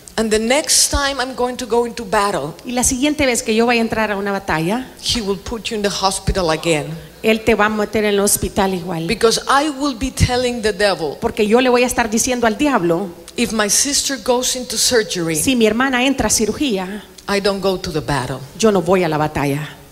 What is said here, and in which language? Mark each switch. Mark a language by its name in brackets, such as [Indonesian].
[English] And the next time I'm going to go into battle, [Spanish] y la siguiente vez que yo voy a entrar a una batalla, [English] he will put you in the hospital again. [Spanish] Él te va a meter en el hospital igual. [English] Because I will be telling the devil, [Spanish] porque yo le voy a estar diciendo al diablo, [English] if my sister goes into surgery, [Spanish] si mi hermana entra a cirugía, [English] I don't go to the battle. [Spanish] Yo no voy a la batalla.